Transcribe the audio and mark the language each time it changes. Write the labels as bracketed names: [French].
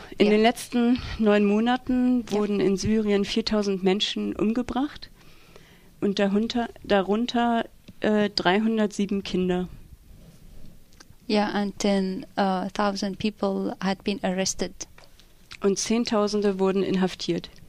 [German] In den letzten 9 Monaten wurden in Syrien 4.000 Menschen umgebracht und darunter 307 Kinder. [English] Ja, and 10,000 people had been arrested. [German] Und Zehntausende wurden inhaftiert.